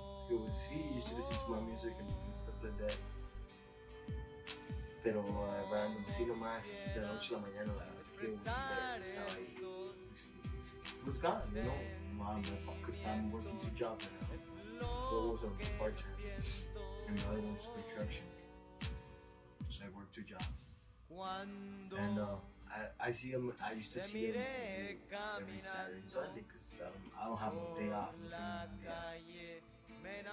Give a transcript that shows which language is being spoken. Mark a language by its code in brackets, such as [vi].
[en] It was, he used to listen to my music and stuff like that. [es] Pero, random, si nomás, de la noche a la mañana, la verdad, estaba ahí. [en] It was gone, you know? My motherfuckers, I'm working two jobs right now. So it was a part-time. And the other one's construction. So I worked two jobs. And, I see him, I used to see him every Saturday and Sunday because I don't have a day off. Yeah.